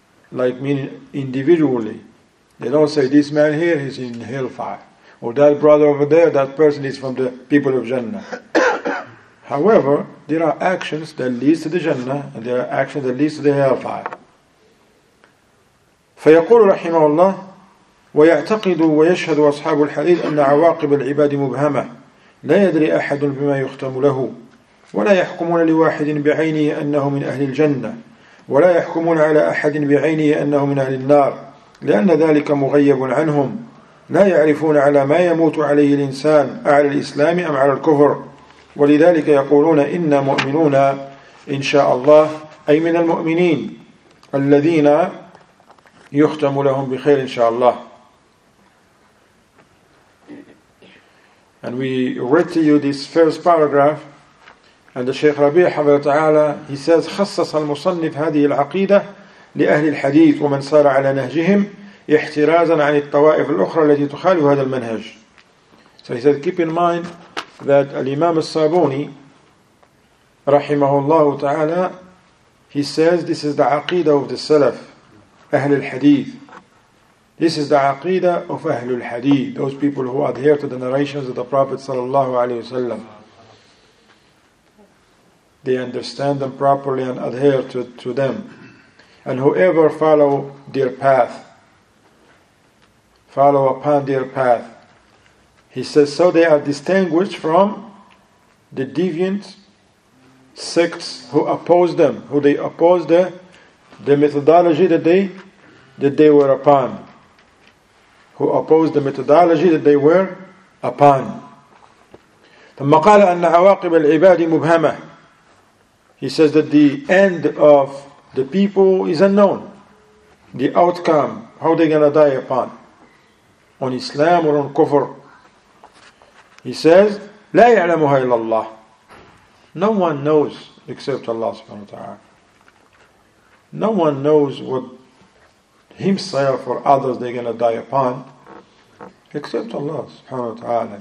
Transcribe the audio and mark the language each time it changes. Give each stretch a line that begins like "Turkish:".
English: Like meaning individually. They don't say this man here is in hellfire. Or that brother over there, that person is from the people of Jannah. However, there are actions that lead to the Jannah and there are actions that lead to the hellfire.
Arabic: فيقول رحمه الله ويعتقد ويشهد أصحاب الحديث أن عواقب العباد مبهمة لا يدري أحد بما يختم له ولا يحكمون لواحد بعينه أنه من أهل الجنة ولا يحكمون على أحد بعينه أنه من أهل النار لأن ذلك مغيب عنهم لا يعرفون على ما يموت عليه الإنسان أعلى الإسلام أم على الكفر ولذلك يقولون إنا مؤمنون إن شاء الله أي من المؤمنين الذين يختم لهم بخير إن شاء الله.
English: And we read to you this first paragraph. And the Shaykh Rabi'
Arabic: حفظه تعالى,
English: he says,
Arabic: خصص المصنف هذه العقيدة لأهل الحديث ومن سار على نهجهم احترازا عن الطوائف الأخرى التي تخالف هذا المنهج.
English: So he said, keep in mind that
Arabic: الإمام الصابوني رحمه الله تعالى,
English: he says, this is the عقيدة of the Salaf, أهل الحديث. This is the عقيدة of أهل الحديث, those people who adhere to the narrations of the Prophet
Arabic: صلى الله عليه وسلم.
English: They understand them properly and adhere to them. And whoever follow their path, follow upon their path. He says, so they are distinguished from the deviant sects who oppose them, who they oppose the methodology that they were upon. Who oppose the methodology that they were upon.
Arabic: ثم قال أن عواقب العباد مبهمة.
English: He says that the end of the people is unknown. The outcome, how they're going to die upon. On Islam or on kufr. He says,
Arabic: لا يعلمها إلا الله.
English: No one knows except Allah subhanahu wa ta'ala. No one knows what himself or others they're going to die upon except Allah subhanahu wa ta'ala.